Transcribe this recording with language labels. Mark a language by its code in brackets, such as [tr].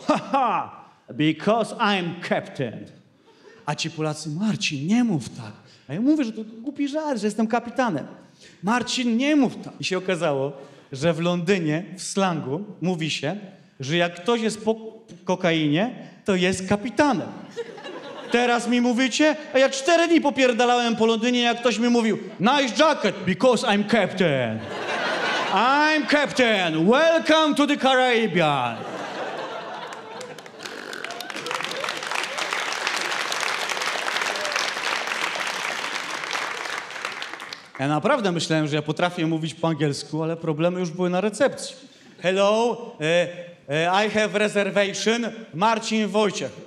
[en] Haha, because I'm captain. [pl] A ci Polacy, Marcin, nie mów tak. A ja mówię, że to głupi żart, że jestem kapitanem. Marcin, nie mów tak. I się okazało, że w Londynie w slangu mówi się, że jak ktoś jest po kokainie, to jest kapitanem. Teraz mi mówicie, a ja 4 dni popierdalałem po Londynie, jak ktoś mi mówił [en] nice jacket, because I'm captain. I'm captain, welcome to the Caribbean. [pl] Ja naprawdę myślałem, że ja potrafię mówić po angielsku, ale problemy już były na recepcji. [en] Hello, I have reservation, Marcin Wojciech.